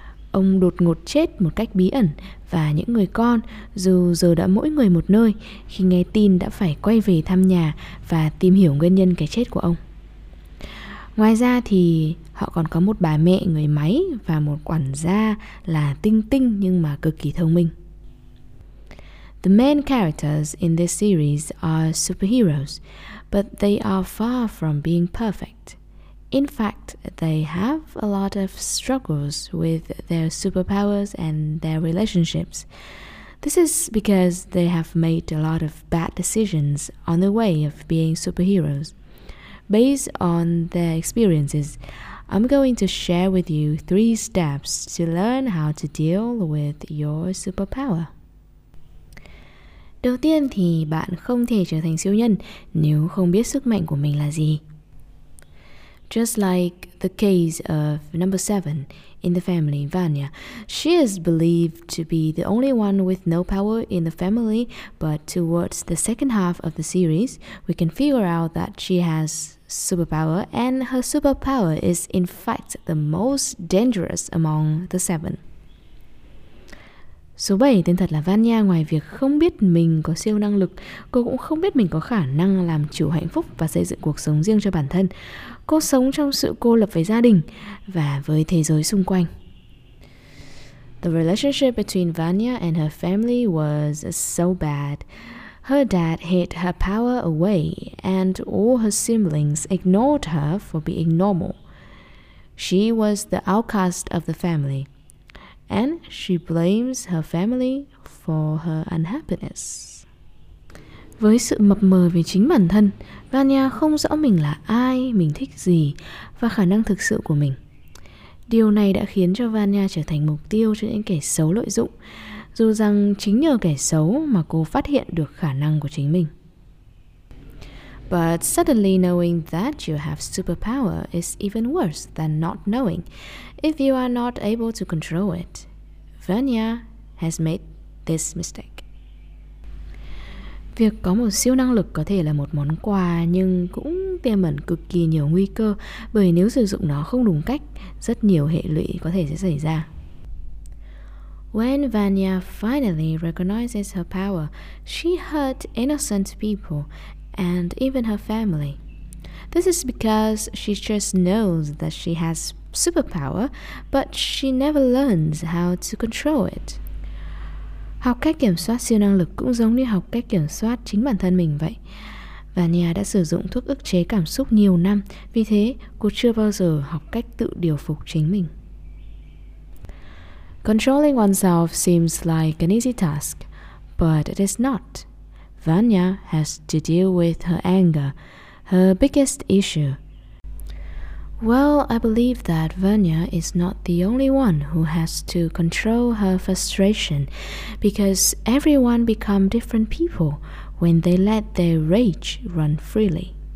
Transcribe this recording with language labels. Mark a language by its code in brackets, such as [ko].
[vi] Ông đột ngột chết một cách bí ẩn và những người con dù giờ đã mỗi người một nơi khi nghe tin đã phải quay về thăm nhà và tìm hiểu nguyên nhân cái chết của ông. Ngoài ra thì họ còn có một bà mẹ người máy và một quản gia là Tinh Tinh nhưng mà cực kỳ thông minh. [en] The main characters in this series are superheroes, but they are far from being perfect. In fact, they have a lot of struggles with their superpowers and their relationships. This is because they have made a lot of bad decisions on the way of being superheroes. Based on their experiences, I'm going to share with you 3 steps to learn how to deal with your superpower. [vi] Đầu tiên thì bạn không thể trở thành siêu nhân nếu không biết sức mạnh của mình là gì. [en] Just like the case of number 7 in the family, Vania, she is believed to be the only one with no power in the family, but towards the second half of the series, we can figure out that she has superpower and her superpower is in fact the most dangerous among the 7. [vi] Số 7 tên thật là Vania, ngoài việc không biết mình có siêu năng lực, cô cũng không biết mình có khả năng làm chủ hạnh phúc và xây dựng cuộc sống riêng cho bản thân. Cô sống trong sự cô lập với gia đình và với thế giới xung quanh. [en] The relationship between Vania and her family was so bad. Her dad hid her power away and all her siblings ignored her for being normal. She was the outcast of the family. And she blames her family for her unhappiness. [vi] Với sự mập mờ về chính bản thân, Vania không rõ mình là ai, mình thích gì và khả năng thực sự của mình. Điều này đã khiến cho Vania trở thành mục tiêu cho những kẻ xấu lợi dụng, dù rằng chính nhờ kẻ xấu mà cô phát hiện được khả năng của chính mình. [en] But suddenly knowing that you have superpower is even worse than not knowing, if you are not able to control it. Vanya has made this mistake. [vi] Việc có một siêu năng lực có thể là một món quà, nhưng cũng tiềm ẩn cực kỳ nhiều nguy cơ, bởi nếu sử dụng nó không đúng cách, rất nhiều hệ lụy có thể sẽ xảy ra. [en] When Vanya finally recognizes her power, she hurt innocent people and even her family. This is because she just knows that she has superpower, but she never learns how to control it. [vi] Học cách kiểm soát siêu năng lực cũng giống như học cách kiểm soát chính bản thân mình vậy. Vanya đã sử dụng thuốc ức chế cảm xúc nhiều năm, vì thế cô chưa bao giờ học cách tự điều phục chính mình. [en] Controlling oneself seems like an easy task, but it is not. Vanya has to deal with her anger, her biggest issue. Well, I believe that Vanya is not the only one who has to control her frustration, because everyone become different people when they let their rage run freely.